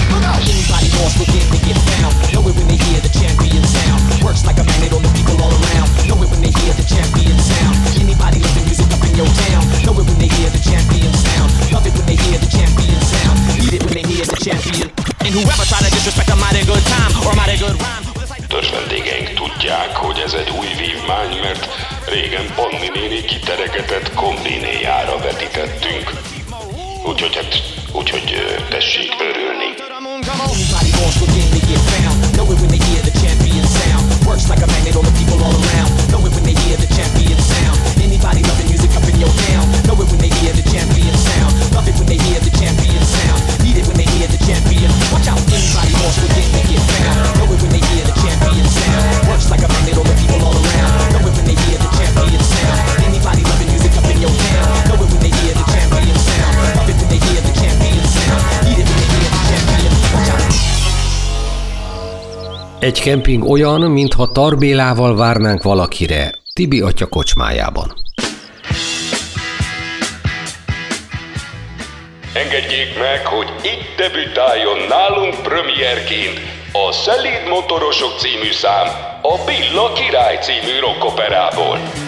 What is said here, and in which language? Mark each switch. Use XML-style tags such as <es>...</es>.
<en>Anybody lost within me get found. Know it when they hear the champion sound. Works like a magnet on the people all around. Know it when they hear the champion sound. Anybody loving music up in your town. Know it when they hear the champion sound. Love it when they hear the champion sound. Need it when they hear the champion. And whoever try to disrespect a mighty good time or a mighty good rhyme.</en> <hu>Törzs vendégeink tudják, hogy ez egy új vívmány, mert régen Panni néni kiteregetett kombinéjára vetítettünk. Úgyhogy hát, úgyhogy tessék örülni.</hu> <en>Works like a magnet on the people all around. Know it when they hear the champion sound. Anybody loving music up in your town. Know it when they hear the champion sound. Love it when they hear the champion sound. Need it when they hear the champion. Watch out, anybody lost within they get found. Know it when they hear the champion sound. Works like a magnet on the people all around. Know it when they hear the champion sound. Anybody loving music up in your town. Know it when they hear the champion sound. Love it when they hear the champion sound. Need it when they hear the champion. Watch out.</en> <hu>Egy kemping olyan, mintha Tarbélával várnánk valakire, Tibi atya kocsmájában. Engedjék meg, hogy itt debütáljon nálunk premierként a Szelíd Motorosok című szám a Billa Király című rockoperából.</hu>